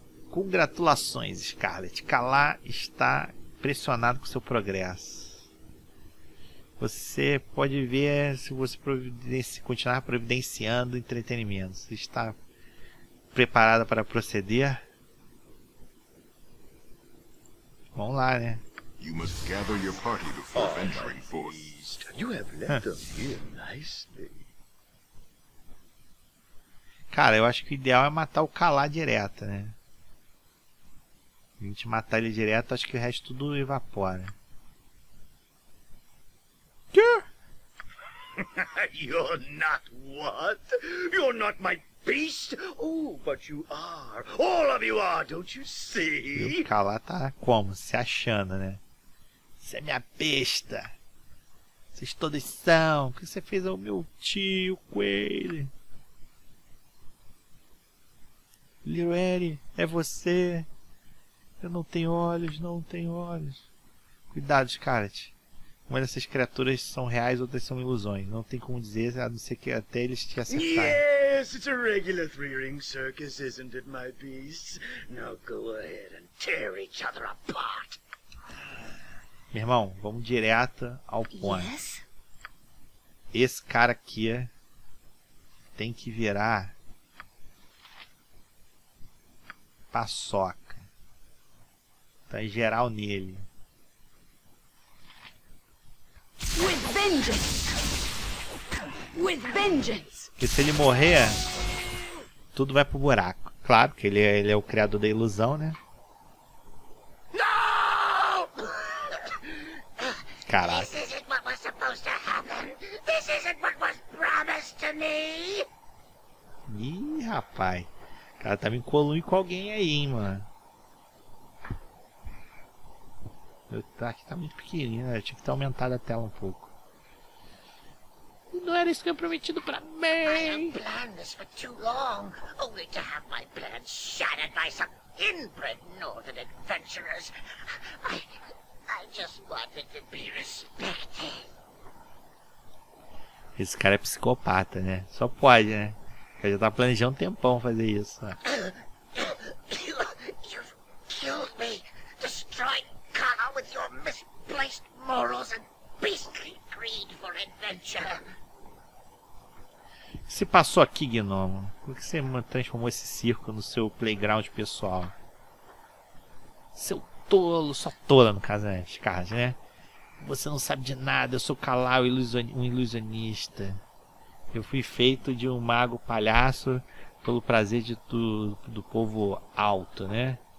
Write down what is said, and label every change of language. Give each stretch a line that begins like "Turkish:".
Portuguese: Congratulações, Scarlett. Kalá está impressionado com seu progresso. Você pode ver se você continuar providenciando entretenimento. Você está preparada para proceder? Vamos lá, né?
English: You must gather your party before venturing forth. You have left them here nicely.
Portuguese: Cara, eu acho que o ideal é matar o Kalá direto, né? A gente matar ele direto, acho que o resto tudo evapora.
English: Que? You're not what? You're not my beast? Oh, but you are. All of you are, don't you see?
Portuguese: E o Kalá tá como? Se achando, né? Você é minha besta. Vocês todos são. O que você fez ao meu tio com ele? Little Eddie, é você. Eu não tenho olhos, não tenho olhos. Cuidado, Scarlett. Uma dessas criaturas são reais, outras são ilusões. Não tem como dizer, a não ser que até eles te acertarem.
English: Yes, it's a regular three-ring circus, isn't it, my beast? Now go ahead and tear each other apart.
Portuguese: Meu irmão, vamos direto ao ponto. Yes? Esse cara aqui tem que virar paçoca. Tá em geral nele.
English: With vengeance. With vengeance.
Portuguese: Porque se ele morrer, tudo vai pro buraco. Claro que ele é o criador da ilusão, né? Não! Caraca.
English: This isn't what was supposed to happen. This isn't what was promised to me.
Portuguese: Ih, rapaz. Ela tá me colunindo com alguém aí, hein, mano. Aqui tá muito pequenininho, né? Tinha que ter aumentado a tela um pouco. Não era isso que eu prometido pra mim!
English: I have planned this for too long, only to have my plans shattered by some inbred northern adventurers. I just wanted to be respected.
Portuguese: Esse cara é psicopata, né? Só pode, né? Eu já tava planejando um tempão fazer isso.
English: You've killed me. Destroyed Kalá with your misplaced morals and beastly greed for adventure.
Portuguese: Você passou aqui, gnomo. Como que você transformou esse circo no seu playground pessoal? Seu tolo, só tola no caso, né? Scarlett, né? Você não sabe de nada, eu sou Kalá, um ilusionista. Eu fui feito de um mago palhaço pelo prazer do povo alto, né?